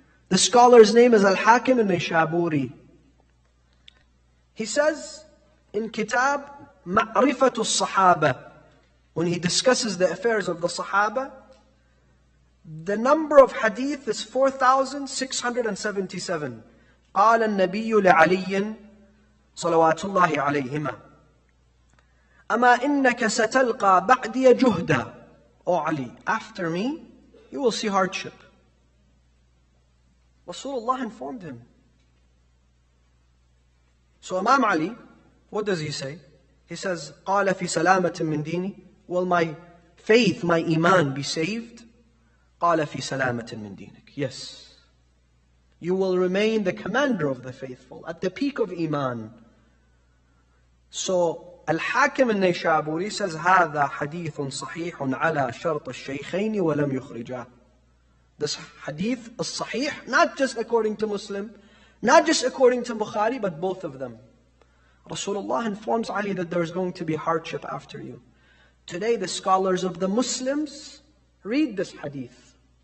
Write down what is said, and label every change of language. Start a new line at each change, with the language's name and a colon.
English: The scholar's name is Al-Hakim al-Nishaburi. He says in Kitab Ma'rifatu al-Sahaba, when he discusses the affairs of the Sahaba, the number of hadith is 4,677.
Arabic: قال النبي لعلي صلوات الله عليهما أما إنك ستلقى بعدي جهدا.
English: O Ali, after me, you will see hardship. Rasulullah informed him. So Imam Ali, what does he say? He says,
Arabic: قال في سلامة من ديني.
English: Will my faith, my iman be saved?
Arabic: قال في سلامة من دينك.
English: Yes. You will remain the commander of the faithful at the peak of iman. So Al-Hakim al-Nishaburi says,
Arabic: هذا حديث صحيح على شرط الشيخين ولم يخرجا.
English: This hadith is sahih, not just according to Muslim, not just according to Bukhari, but both of them. Rasulullah informs Ali that there is going to be hardship after you. Today, the scholars of the Muslims read this hadith.